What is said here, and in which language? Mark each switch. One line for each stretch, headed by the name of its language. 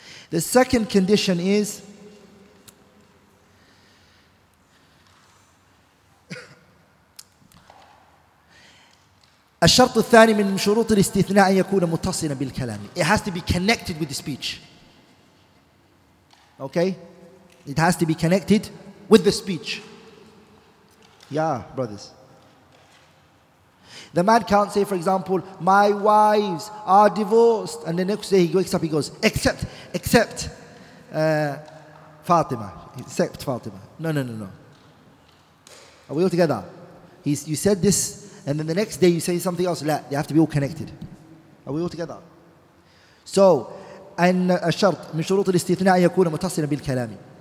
English: The second condition is,
Arabic: الشرط الثاني من شروط الاستثناء أن يكون متصلا بالكلام.
English: It has to be connected with the speech. Okay? It has to be connected with the speech. Yeah, brothers. The man can't say, for example, my wives are divorced. And the next day he wakes up, he goes, except Fatima. Except Fatima. No. Are we all together? You said this, and then the next day you say something else. They have to be all connected. Are we all together? So,
Arabic: أن الشرط من شروط الاستثناء يكون متصلا بالكلام.